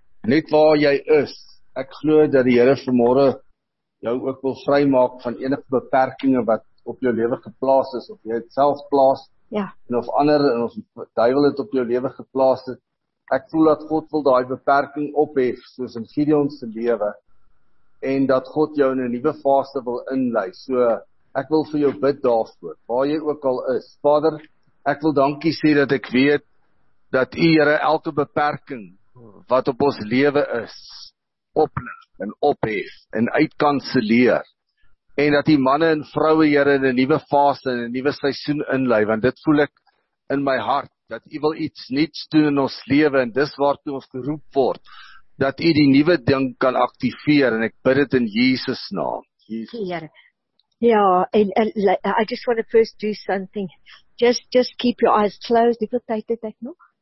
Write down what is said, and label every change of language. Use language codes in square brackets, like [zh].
[af] Net waar jy is, ek glo dat die Here vanmôre jou ook wil vrymaak van enige beperkinge wat op jou lewe geplaas is, of jy het self plaas, ja, en of ander, en of duivel het op jou lewe geplaas het. Ek voel dat God wil daai beperking ophef, soos in Gideon se lewe, en dat God jou in 'n nuwe fase wil inlei. So, ek wil vir jou bid daarvoor, waar jy ook al is. Vader, ek wil dankie sê dat ek weet dat U, Here, elke beperking wat op ons lewe is, oplig en ophef en uitkanselleer. En dat die manne en vroue, Here, in 'n nuwe fase en 'n nuwe seisoen inlei, want dit voel ek in my hart, dat U wil iets nuuts doen in ons lewe en dis waartoe ons geroep word, dat U die nuwe ding kan aktiveer en ek bid dit in Jesus naam. Jesus. Heer. [en] Ja, I just want to first do something. Just keep your eyes closed. [af] Hoeveel tyd het ek nog?